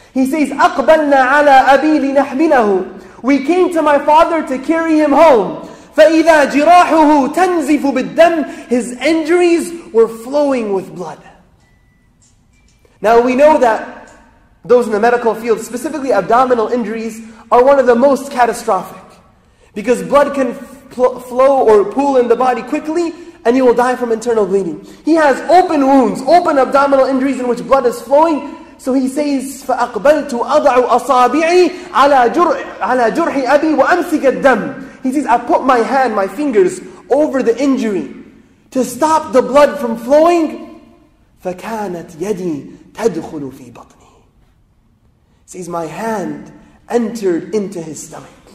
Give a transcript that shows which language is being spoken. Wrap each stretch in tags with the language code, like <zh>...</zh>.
<en>He says,</en> <ar>أَقْبَلْنَا عَلَىٰ أَبِي لِنَحْمِلَهُ.</ar> <en>We came to my father to carry him home.</en> <ar>فَإِذَا جِرَاحُهُ تَنْزِفُ بِالدَّمِ.</ar> <en>His injuries were flowing with blood. Now we know that those in the medical field, specifically abdominal injuries, are one of the most catastrophic. Because blood can flow or pool in the body quickly, and you will die from internal bleeding. He has open wounds, open abdominal injuries in which blood is flowing. So he says,</en> <ar>فَأَقْبَلْتُ أَضَعُ أَصَابِعِي عَلَى جُرْحِ أَبِي وَأَمْسِكَ الدَّمِ.</ar> <en>He says, I put my hand, my fingers, over the injury to stop the blood from flowing.</en> <ar>فَكَانَتْ يَدِي تَدْخُلُ فِي بَطْنِي.</ar> <en>He says, my hand entered into his stomach.</en>